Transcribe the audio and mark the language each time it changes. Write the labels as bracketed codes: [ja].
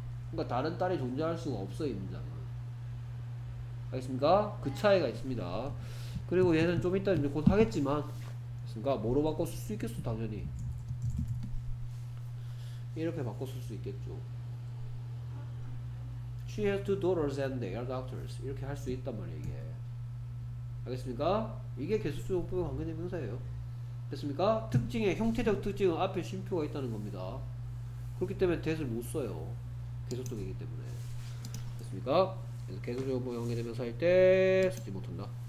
[ko] 그러니까 다른 딸이 존재할 수가 없어 이 문장은. 알겠습니까? 그 차이가 있습니다. 그리고 얘는 좀 이따 이제 곧 하겠지만 그러니까 뭐로 바꿨을 수 있겠어 당연히 이렇게 바꿨을 수 있겠죠. [en] She has two daughters and they are doctors. [ko] 이렇게 할 수 있단 말이에요 이게. 알겠습니까? 이게 계속적으로 관계대명사예요. 됐습니까? 특징의 형태적 특징은 앞에 쉼표가 있다는 겁니다. 그렇기 때문에 that을 못 써요. 계속적이기 때문에. 됐습니까? 계속적으로 관계대명사일 때 쓰지 못한다.